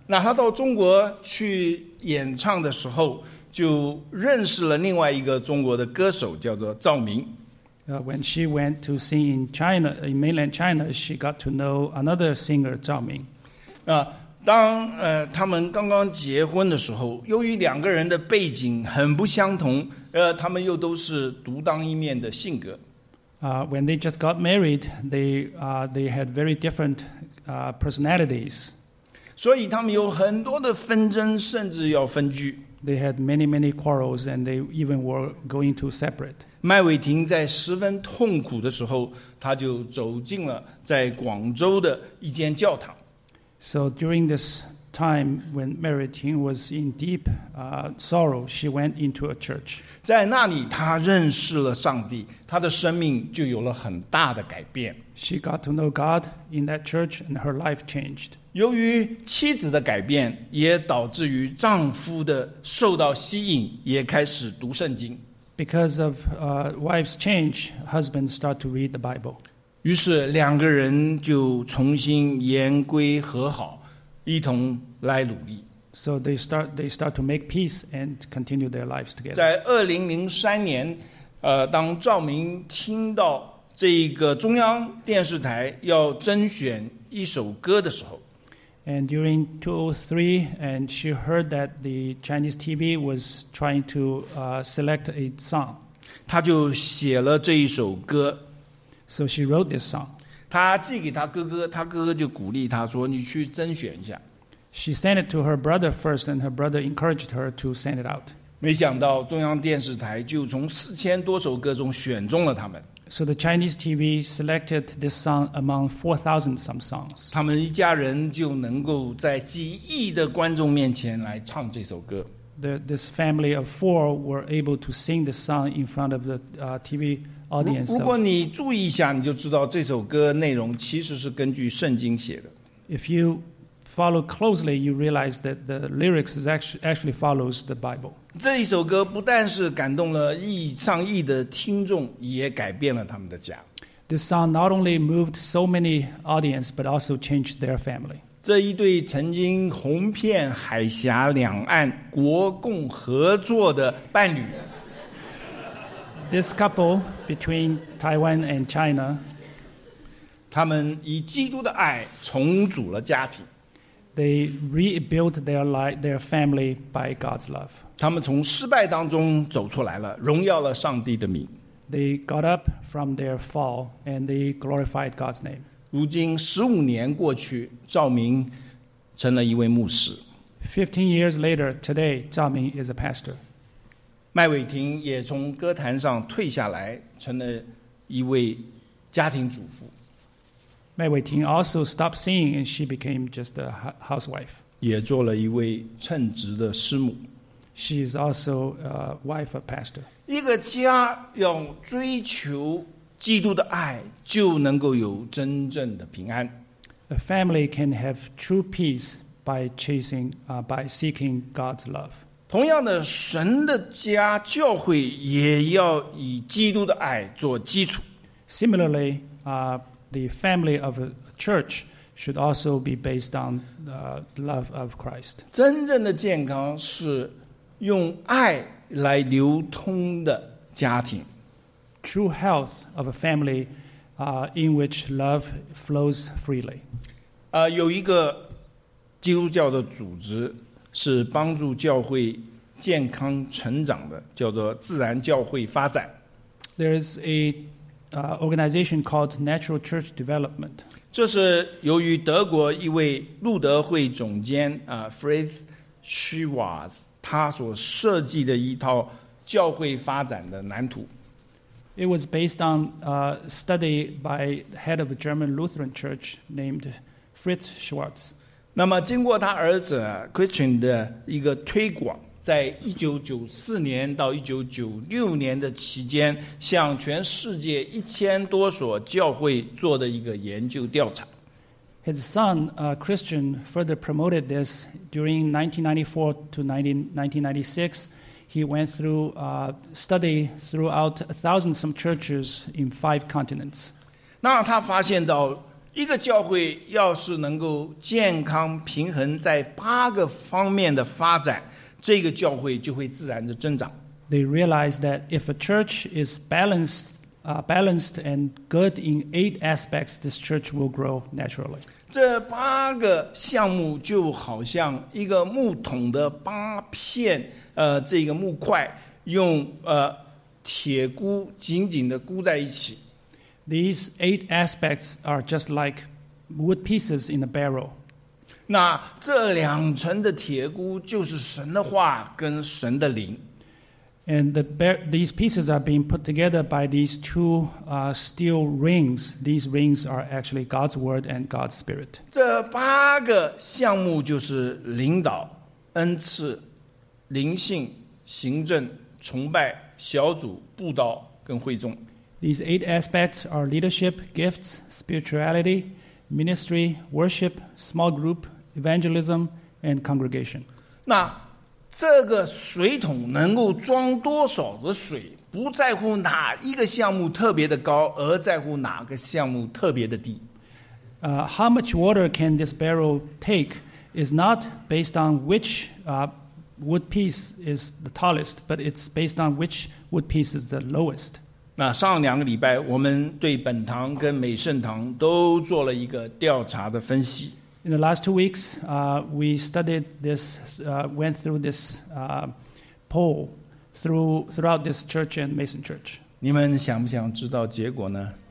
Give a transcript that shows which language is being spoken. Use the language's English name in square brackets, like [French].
[Chinese] 那他到中国去演唱的时候。就认识了另外一个中国的歌手，叫做赵明。 [English] When she went to sing in China, in mainland China, she got to know another singer, 赵明。 [Chinese] 当他们刚刚结婚的时候，由于两个人的背景很不相同，他们又都是独当一面的性格。 [English] When they just got married, they had very different personalities. [Chinese] 所以他们有很多的纷争，甚至要分居。 [English] They had many, many quarrels, and they even were going to separate. [Chinese] 麦伟廷在十分痛苦的时候，他就走进了在广州的一间教堂。 [English] So during this time, when Mary Ting was in deep sorrow, she went into a church. [Chinese] 在那里，她认识了上帝，她的生命就有了很大的改变。 [English] She got to know God in that church, and her life changed. [Chinese] 由于妻子的改变，也导致于丈夫的受到吸引，也开始读圣经。 [English] Because of wife's change, husband start to read the Bible. [Chinese] 于是两个人就重新言归和好，一同来努力。 [English] So they start to make peace and continue their lives together. [Chinese] 在2003年，当赵明听到这个中央电视台要甄选一首歌的时候 [English] ，and during 2003, and she heard that the Chinese TV was trying to select a song. [Chinese] 她就写了这一首歌。 [English] So she wrote this song. [Chinese] 她寄给她哥哥，她哥哥就鼓励她说：“你去甄选一下。” [English] She sent it to her brother first, and her brother encouraged her to send it out. [Chinese] 没想到中央电视台就从4000多首歌中选中了他们。 [English] So the Chinese TV selected this song among 4,000 some songs. [Chinese] 他们一家人就能够在几亿的观众面前来唱这首歌。 [English] This family of four were able to sing the song in front of the TV audience. [Chinese] 如果你注意一下，你就知道这首歌内容其实是根据圣经写的。 [English] If you follow closely, you realize that the lyrics actually follows the Bible. [Chinese] 这一首歌不但是感动了亿上亿的听众，也改变了他们的家。 [English] This song not only moved so many audience, but also changed their family. [Chinese] 这一对曾经红遍海峡两岸、国共合作的伴侣。 [English] This couple between Taiwan and China. [Chinese] 他们以基督的爱重组了家庭。 [English] They rebuilt their life, their family by God's love. [Chinese] 他们从失败当中走出来了，荣耀了上帝的名。 [English] They got up from their fall and they glorified God's name. [Chinese] 如今15年过去，赵明成了一位牧师。 [English] 15 years later, today, 赵明 is a pastor. [Chinese] 麦伟廷也从歌坛上退下来，成了一位家庭主妇。 [English] 麦伟廷 also stopped singing and she became just a housewife. [Chinese] 也做了一位称职的师母。 [English] She is also a wife of a pastor. [Chinese] 一个家要追求基督的爱，就能够有真正的平安。 [English] A family can have true peace by chasing, by seeking God's love. [Chinese] 同样的，神的家教会也要以基督的爱做基础。 [English] Similarly, The family of a church should also be based on the love of Christ. [Chinese] 真正的健康是用爱来流通的家庭。 [English] True health of a family in which love flows freely. [Chinese] 有一个基督教的组织是帮助教会健康成长的，叫做自然教会发展。 [English] There is a organization called Natural Church Development. [Chinese] 这是由于德国一位路德会总监Fritz Schwarz 他所设计的一套教会发展的蓝图。 [English] It was based on a study by head of a German Lutheran church named Fritz Schwarz. [Chinese] 那么经过他儿子Christian 的一个推广，在1994年到1996年的期间，向全世界1000多所教会做的一个研究调查。 [English] His son, Christian, further promoted this during 1994 to 1996. He went through a study throughout 1,000 some churches in 5 continents. [Chinese] 那他发现到，一个教会要是能够健康平衡在8个方面的发展，这个教会就会自然的增长。 [English] They realize that if a church is balanced and good in 8 aspects, this church will grow naturally. [Chinese] 这8个项目就好像一个木桶的8片，这个木块用铁箍紧紧的箍在一起。 [English] These eight aspects are just like wood pieces in a barrel. [Chinese] 那这两层的铁箍就是神的话跟神的灵。 [English] And these pieces are being put together by these two steel rings. These rings are actually God's word and God's spirit. [Chinese] 这八个项目就是领导、恩赐、灵性、行政、崇拜、小组、布道跟会众。 [English] These eight aspects are leadership, gifts, spirituality, ministry, worship, small group, evangelism, and congregation. [Chinese] 那这个水桶能够装多少的水，不在乎哪一个项目特别的高，而在乎哪个项目特别的低。 [English] How much water can this barrel take is not based on which wood piece is the tallest, but it's based on which wood piece is the lowest. [Chinese] 那上两个礼拜，我们对本堂跟美圣堂都做了一个调查的分析。 [English] In the last 2 weeks, we studied this, went through this poll throughout this church and Mason Church. [Chinese] 你们想不想知道结果呢？